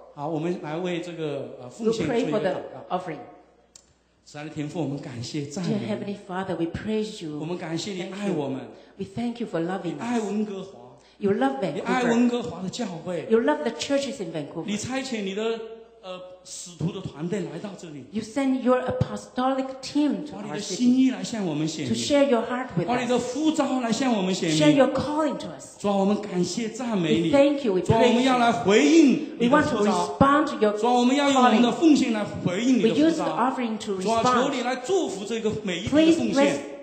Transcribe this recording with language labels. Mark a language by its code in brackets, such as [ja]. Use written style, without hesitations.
[zh] 好，我们来为这个奉献做一个祷告。 [en] We'll pray for the offering. [zh] 神的天父，我们感谢赞美。 [en] Dear Heavenly Father, we praise you. [zh] 我们感谢你爱我们。 [en] We thank you for loving us. [zh] 你爱温哥华。 [en] You love Vancouver. [zh] 你爱温哥华的教会。 [en] You love the churches in Vancouver. [zh] 你差遣你的使徒的团队来到这里。 [en] You send your apostolic team to our city. [zh] 把你的心意来向我们显明。 [en] To share your heart with us. [zh] 把你的呼召来向我们显明。 [en] Share your calling to us. [zh] 主啊，我们感谢赞美你。 [en] We thank you. We praise you. [zh] 主啊，我们要来回应你的呼召。 [en] We want to respond to your calling. [zh] 主啊，我们要用我们的奉献来回应你的呼召。 [en] We use the offering to respond. [zh] 主啊，求你来祝福这个每一笔的奉献。